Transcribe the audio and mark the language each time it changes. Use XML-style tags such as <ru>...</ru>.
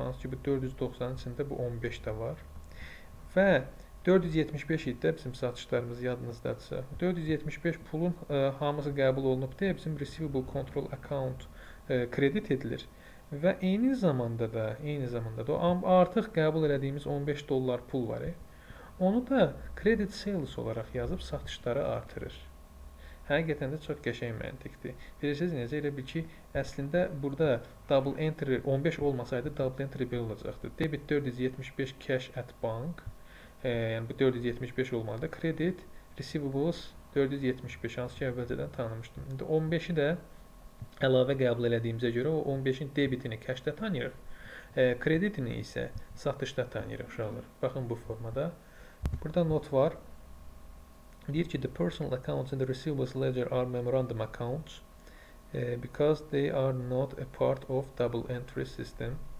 <az>Hansı ki, bu 490 içində bu 15 də var. Və 475 idi də bizim satışlarımız yadınızdadırsa. 475 pulun hamısı qəbul olunub deyə bizim receivable control account kredit edilir. Və eyni zamanda da artıq qəbul elədiyimiz 15 dollar pul var. Onu da credit sales olaraq yazıb satışları artırır. Həqiqətən də çox qəşəng məntiqdir. Bilirsiniz necə? Elə bil ki, əslində burada double entry 15 olmasaydı double entry belə olacaqdı. Debit 475 cash at bank. Yəni bu 475 olmalıdır. Credit receivables 475, hansı ki, əvvəlcədən tanımışdım. İndi 15-i də əlavə qəbul elədiyimizə görə o 15-in debitini cash-də tanıyırıq. Kreditini isə satışda tanıyırıq uşaqlar. Baxın bu formada. Burada not var. Deyir ki,</az> <en>the personal accounts in the receivables ledger are memorandum accounts because they are not a part of double entry system.</en>